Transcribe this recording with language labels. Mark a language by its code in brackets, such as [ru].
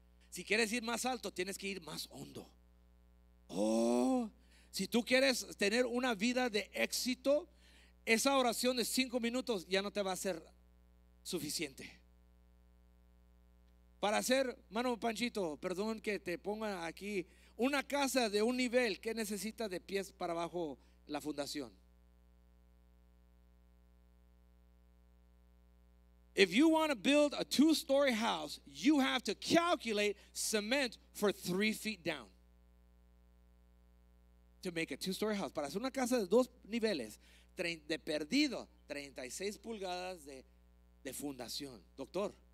[es] Si quieres ir más alto, tienes que ir más hondo. Oh, si tú quieres tener una vida de éxito, esa oración de 5 minutos ya no te va a ser suficiente. Para hacer, mano Panchito, perdón que te ponga aquí, una casa de un nivel, ¿qué necesita de pies para abajo la fundación? [en] If you want to build a 2-story house, you have to calculate cement for 3 feet down. To make a 2-story house, [es] para hacer una casa de 2 niveles, de perdido, 36 pulgadas de fundación. Doctor.